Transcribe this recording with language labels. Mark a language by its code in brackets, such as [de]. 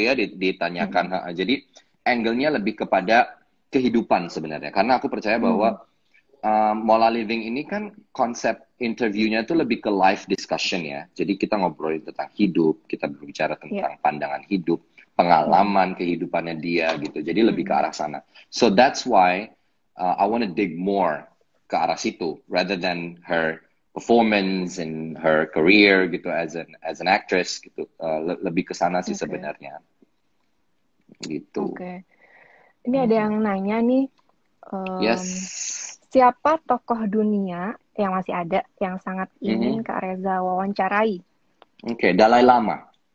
[id] ya, ditanyakan. Jadi angle-nya lebih kepada kehidupan sebenarnya. Karena aku percaya bahwa Mola Living ini kan konsep interviewnya itu lebih ke life discussion ya. Jadi kita ngobrolin tentang hidup, kita berbicara tentang pandangan hidup, pengalaman kehidupannya dia gitu. Jadi lebih ke arah sana. [en] So that's why I want to dig more [id] ke arah situ, [en] rather than her performance and her career gitu as an actress gitu. [id] Lebih ke sana sih sebenarnya. Gitu. Okay. Ini ada yang nanya nih, [en] Yes. [id] siapa tokoh dunia yang masih ada yang sangat ingin Kak Reza wawancarai? [en] Okay, Dalai Lama.